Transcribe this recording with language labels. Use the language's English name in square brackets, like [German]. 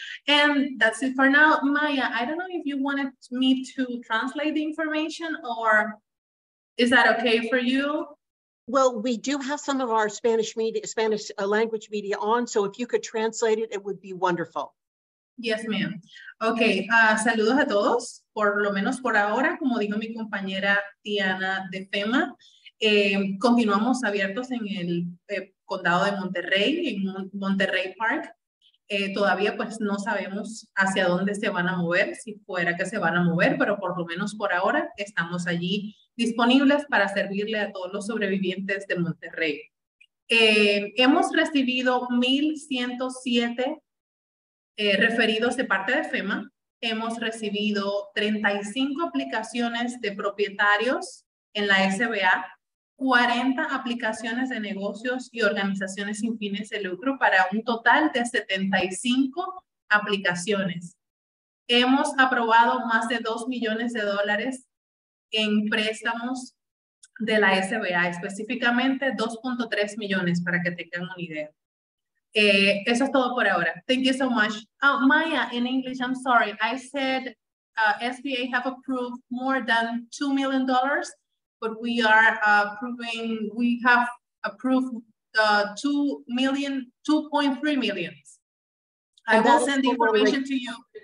[English] And that's it for now. Maya, I don't know if you wanted me to translate the information, or is that okay for you? Well, we do have some of our Spanish language media on, so if you could translate it, it would be wonderful. Yes, ma'am. [Spanish] Okay, saludos a todos, por lo menos por ahora, como dijo mi compañera Tiana de FEMA. Continuamos abiertos en el condado de Monterrey, en Monterrey Park. Todavía pues no sabemos hacia dónde se van a mover, si fuera que se van a mover, pero por lo menos por ahora estamos allí disponibles para servirle a todos los sobrevivientes de Monterrey. Hemos recibido 1,107 referidos de parte de FEMA. Hemos recibido 35 aplicaciones de propietarios en la SBA, 40 aplicaciones de negocios y organizaciones sin fines de lucro, para un total de 75 aplicaciones. Hemos aprobado más de $2 millones en préstamos de la SBA, específicamente 2.3 millones, para que tengan una idea. Eso es todo por ahora. [English] Thank you so much. Oh, Maya, in English, I'm sorry. I said SBA have approved more than $2 million. But we are approving, we have approved 2.3 million. I will send the information to you.